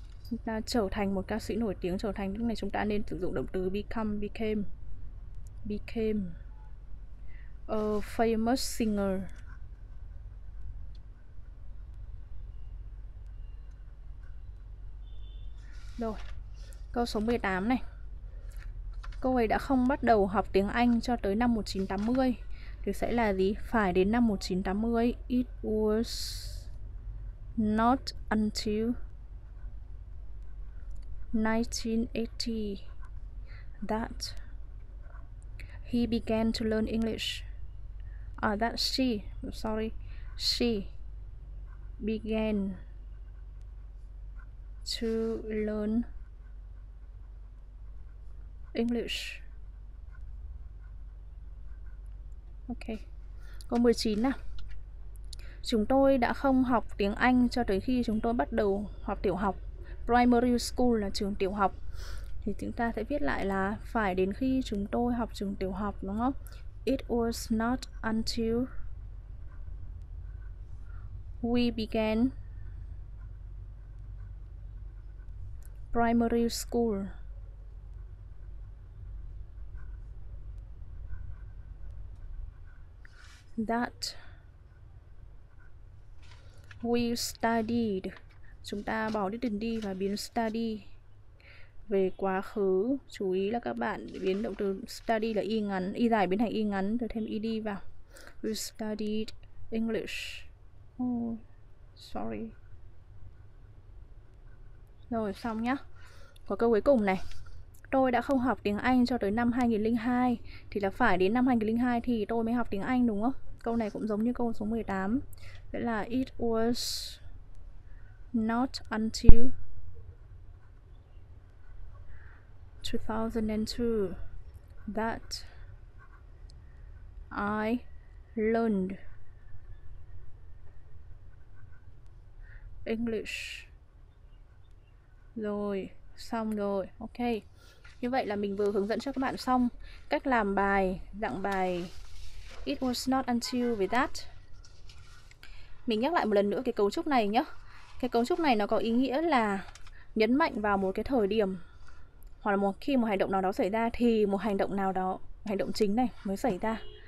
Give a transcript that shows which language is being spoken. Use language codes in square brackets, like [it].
[vi] chúng ta trở thành một ca sĩ nổi tiếng trở thành lúc này chúng ta nên sử dụng động từ become became a famous singer Rồi, câu số 18 này. Cô ấy đã không bắt đầu học tiếng Anh cho tới năm 1980. Thì sẽ là gì? Phải đến năm 1980. [en] It was not until 1980 that he began to learn English. That she, sorry, she began to learn English. [vi] Ok. Câu 19 nào. Chúng tôi đã không học tiếng Anh cho tới khi chúng tôi bắt đầu học tiểu học. Primary school là trường tiểu học. Thì chúng ta sẽ viết lại là phải đến khi chúng tôi học trường tiểu học, đúng không? [en] It was not until we began primary school. That we studied. [vi] Chúng ta bỏ đi từ đi và biến study về quá khứ. Chú ý là các bạn biến động từ study là y ngắn, y dài biến thành y ngắn rồi thêm ed vào. [en] We studied English. Oh, sorry. [vi] Rồi xong nhá. Có câu cuối cùng này. Tôi đã không học tiếng Anh cho tới năm 2002. Thì là phải đến năm 2002 thì tôi mới học tiếng Anh đúng không? Câu này cũng giống như câu số 18. [en] Vậy là it was not until 2002 that I learned English. [vi] Rồi, xong rồi. Ok. Như vậy là mình vừa hướng dẫn cho các bạn xong cách làm bài, dạng bài It was not until we that. Mình nhắc lại một lần nữa cái cấu trúc này nhé. Cái cấu trúc này nó có ý nghĩa là nhấn mạnh vào một cái thời điểm hoặc là một khi một hành động nào đó xảy ra thì một hành động nào đó, hành động chính này mới xảy ra.